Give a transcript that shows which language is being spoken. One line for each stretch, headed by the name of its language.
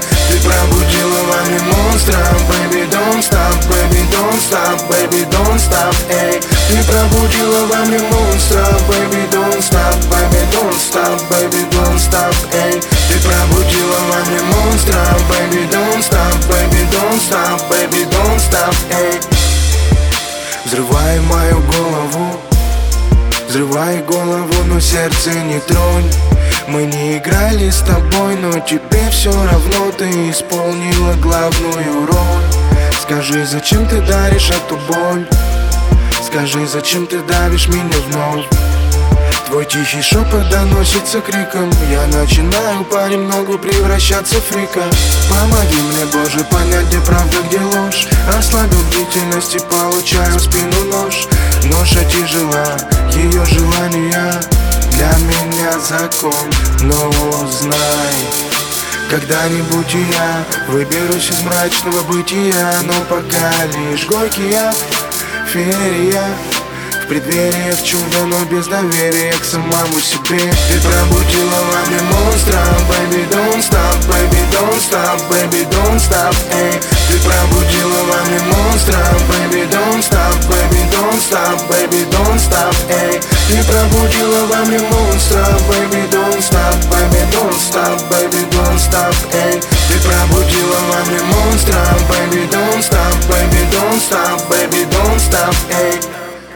Russian: Ты пробудила во мне монстра.
English: Baby, don't stop, baby, don't stop, baby, don't stop, эй.
Russian: Ты пробудила во мне монстра.
English: Baby, don't stop, baby, don't stop, baby, don't stop, эй.
Russian: Ты пробудила во мне монстра.
English: Baby, don't stop, baby, don't stop, baby, don't stop, эй.
Russian: Взрывай мою голову, взрывай голову, но сердце не тронь. Мы не играли с тобой, но тебе все равно. Ты исполнила главную роль. Скажи, зачем ты даришь эту боль? Скажи, зачем ты давишь меня вновь? Твой тихий шепот доносится криком. Я начинаю понемногу превращаться в фрика. Помоги мне, Боже, понять, где правда, где ложь. Ослабил бдительность и получаю в спину нож. Ноша тяжела, ее желания для меня закон. Но знай, когда-нибудь и я выберусь из мрачного бытия. Но пока лишь горькая феерия, в преддверии в чудо, но без доверия к самому себе. Ты пробудила во мне монстра.
English: Baby, don't stop, baby, don't stop, baby, don't stop, эй.
Russian: Ты пробудила во мне монстра.
English: Baby, don't stop, baby, don't stop, baby, don't stop, эй.
Russian: Ты пробудила во мне монстра.
English: Baby, don't stop, baby, don't stop, baby, don't stop, эй.
Russian: Ты пробудила во мне монстра.
English: Baby, don't stop, baby, don't stop, baby, don't stop, эй.